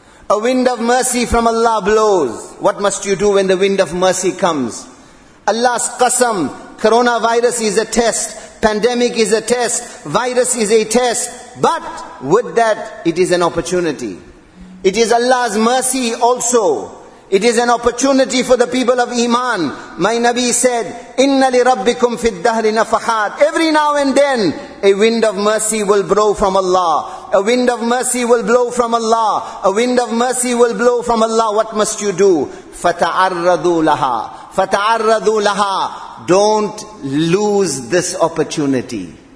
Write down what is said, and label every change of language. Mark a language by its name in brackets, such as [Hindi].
[English] A wind of mercy from Allah blows. What must you do when the wind of mercy comes? Allah's qasam, coronavirus is a test. Pandemic is a test. Virus is a test. But with that, it is an opportunity. It is Allah's mercy also. It is an opportunity for the people of Iman. My Nabi said, [Arabic] إِنَّ لِرَبِّكُمْ فِي الدَّهْرِ نَفَحَاتٍ. [English] Every now and then, a wind of mercy will blow from Allah. A wind of mercy will blow from Allah. A wind of mercy will blow from Allah. What must you do? [Arabic] فَتَعَرَّضُوا لَهَا فَتَعَرَّضُوا لَهَا. [English] Don't lose this opportunity.